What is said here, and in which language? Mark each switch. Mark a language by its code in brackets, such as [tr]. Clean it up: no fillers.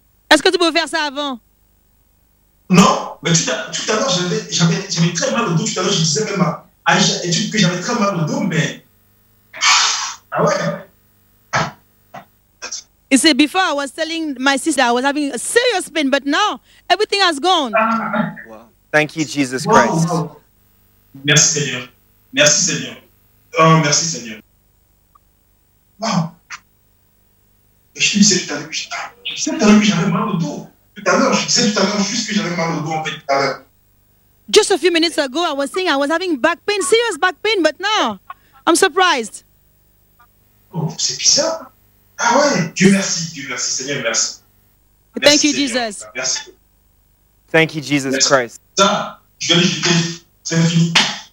[fr] Est-ce que tu peux faire ça avant? Non, mais tout à l'heure, j'avais très mal au dos. Tout à l'heure, je disais même à Aïcha et que j'avais très mal au dos, mais... Ah ouais? [en] You see, before I was telling my sister I was having a serious pain, but now everything has gone. Wow. Thank you, Jesus Christ. Wow. [fr] Merci Seigneur. Merci Seigneur. Oh, merci Seigneur. Wow. Et je disais tout à l'heure, que j'avais mal au dos. Tout à l'heure, je disais tout à l'heure juste que j'avais mal au dos en fait tout à l'heure. [en] Just a few minutes ago, I was saying I was having back pain, serious back pain, but now I'm surprised. [fr] Oh, c'est bizarre. Ah ouais. Dieu merci Seigneur, merci. [en] Thank you, Jesus. [fr] Merci. [en] Thank you, Jesus Christ. [fr] Ça, je vais l'éviter.